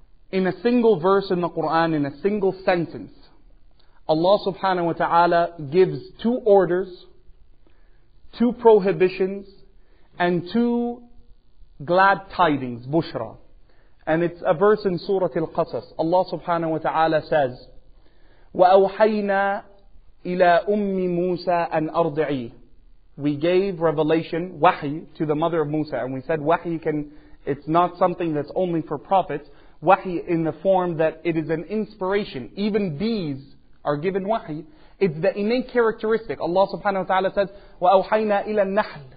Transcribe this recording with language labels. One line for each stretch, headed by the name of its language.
English: In a single verse in the Quran, in a single sentence, Allah subhanahu wa ta'ala gives two orders, two prohibitions, and two glad tidings, bushra. And it's a verse in Surah Al-Qasas. Allah subhanahu wa ta'ala says,
Arabic: وَأَوْحَيْنَا إِلَىٰ أُمِّ مُوسَىٰ أَنْ أَرْضِعِيهِ.
English: We gave revelation, wahi, to the mother of Musa. And we said wahi, it's not something that's only for prophets. wahi in the form that it is an inspiration. Even bees are given wahi. It's the innate characteristic. Allah subhanahu wa ta'ala says,
Arabic: وَأَوْحَيْنَا إِلَى النَّحْلِ.